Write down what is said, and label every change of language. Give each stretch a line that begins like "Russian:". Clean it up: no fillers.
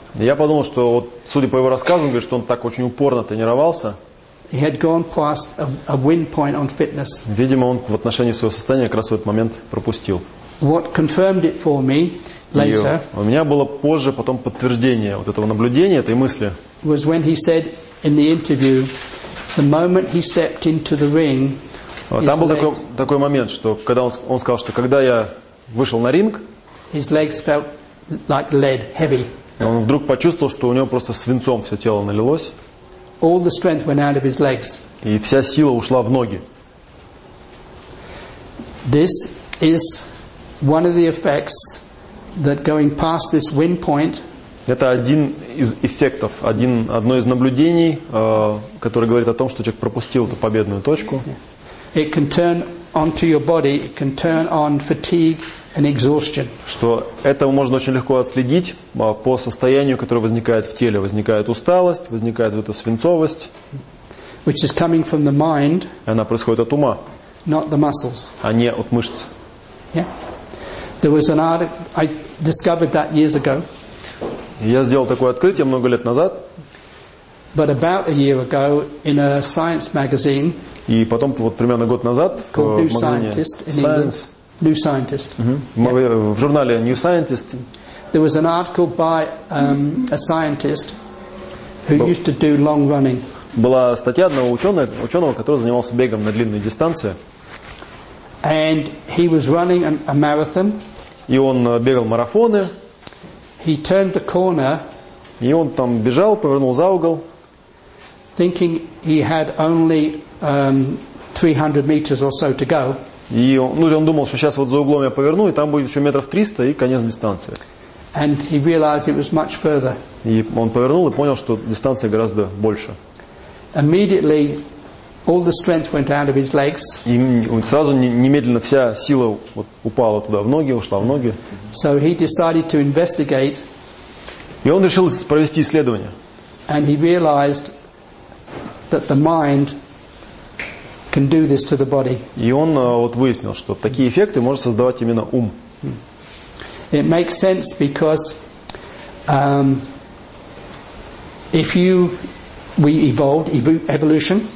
Russian: Я подумал, что вот, судя по его рассказу, он говорит, что он так очень упорно тренировался.
English: He had gone past a win point on fitness.
Russian: Видимо, он в отношении своего состояния как раз в этот момент пропустил.
English: What confirmed it for me? Later,
Russian: у меня было позже потом подтверждение вот этого наблюдения, этой мысли.
English: Was when he said in the interview, the moment he stepped into the ring.
Russian: Там был такой момент, что когда он сказал, что когда я вышел на ринг,
English: his legs felt like lead, heavy.
Russian: Он вдруг почувствовал, что у него просто свинцом все тело налилось.
English: All the strength went out of his legs.
Russian: И вся сила ушла в ноги.
English: This is one of the effects. That going past this win point.
Russian: Это один из эффектов, одно из наблюдений, которое говорит о том, что человек пропустил эту победную точку.
English: It can turn onto your body. It can turn on fatigue and exhaustion.
Russian: Что это можно очень легко отследить по состоянию, которое возникает в теле, возникает усталость, возникает эта свинцовость.
English: Which is coming from the mind.
Russian: Она происходит от ума.
English: Not the muscles.
Russian: А не от мышц. Yeah.
English: There was an article I discovered that years ago.
Russian: Я сделал такое открытие много лет назад.
English: But about a year ago in a science magazine.
Russian: И потом вот примерно год назад
English: called New Scientist in England. New Scientist.
Russian: В журнале New Scientist.
English: There was an article by a scientist who used to do long running.
Russian: Была статья одного ученого, который занимался бегом на длинные дистанции.
English: And he was running a marathon.
Russian: И он бегал марафоны.
English: He turned the corner.
Russian: И он там бежал, повернул за угол.
English: Thinking he had only 300 meters or so to go.
Russian: И он думал, что сейчас вот за углом я поверну, и там будет еще метров 300 и конец дистанции.
English: And he realized it was much further.
Russian: И он повернул и понял, что дистанция гораздо больше.
English: Immediately. All the strength went out of his legs.
Russian: И сразу немедленно вся сила вот упала туда в ноги, ушла в ноги.
English: So he decided to investigate.
Russian: И он решил провести исследование.
English: And he realized that the mind can do this to the body.
Russian: И он вот выяснил, что такие эффекты может создавать именно ум.
English: It makes sense because if you we evolved evolution.